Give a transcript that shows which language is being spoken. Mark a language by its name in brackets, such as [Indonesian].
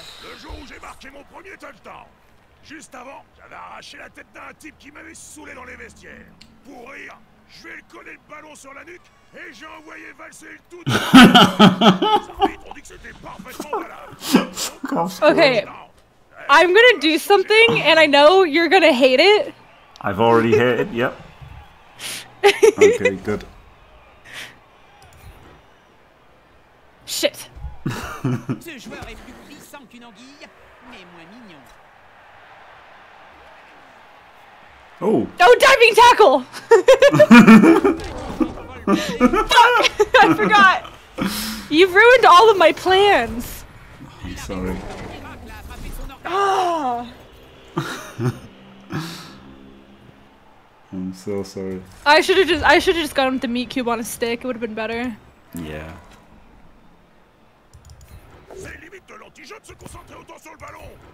[French] Le jour où j'ai marqué mon premier touchdown. Juste avant, j'avais arraché la tête d'un type qui m'avait saoulé dans les vestiaires. Pour rire, je vais coller le ballon sur la nuque et j'ai envoyé valser le tout. [English] Okay, I'm gonna do something and I know you're gonna hate it. I've already hated it, yep. Okay, good. Shit. [French] Ce joueur est plus puissant qu'une anguille, mais moins mignon. [English] Oh. Oh, diving tackle! Fuck! I forgot! You've ruined all of my plans! I'm sorry. I'm so sorry. I should have just gone with the meat cube on a stick. It would have been better. Yeah. [French] C'est limite de l'anti-jeu de se concentrer autant sur le ballon.